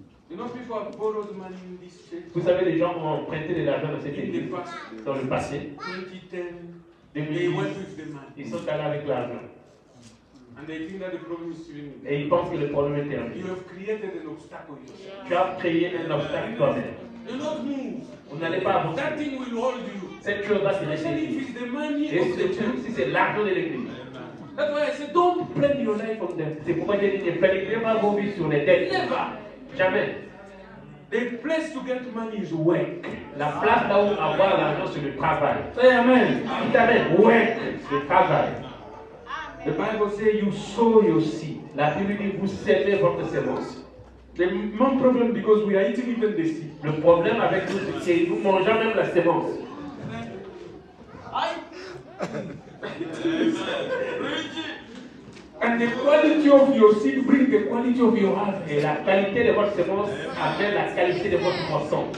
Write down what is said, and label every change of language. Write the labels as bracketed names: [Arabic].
[English] You know people have borrowed money in this church. [French] Vous savez, les gens ont prêté de l'argent dans cette église dans le passé. 2010. Ils sont allés avec l'argent. [English] And they think that the problem is still. [French] Et ils pensent que le problème est terminé. [English] You have created an obstacle. Yeah. [French] Tu as créé un obstacle toi-même. [English] You don't move. [French] Vous n'allez pas avancer. [English] That thing will hold you. [French] Cette chose va se [English] laisser. If it's the money of the church, [French] si c'est l'argent de l'église. [English] That's why I said, don't blame your life on them. [French] C'est pourquoi j'ai dit, ne prenez pas vos vies sur les dettes. [English] Never. [French] Jamais. [English] The place to get money is work. [French] La place là où avoir l'argent, c'est le travail. [English] Say amen. [French] Dites amen. Work. Le travail. [English] The Bible says you sow your seed. [French] La Bible dit vous semez votre semence. [English] The main problem because we are eating even the seed. [French] Le problème avec nous c'est que nous mangeons même la semence. [English] And the quality of your seed brings the quality of your harvest. [French] Et la qualité de votre semence avec la qualité de votre moisson.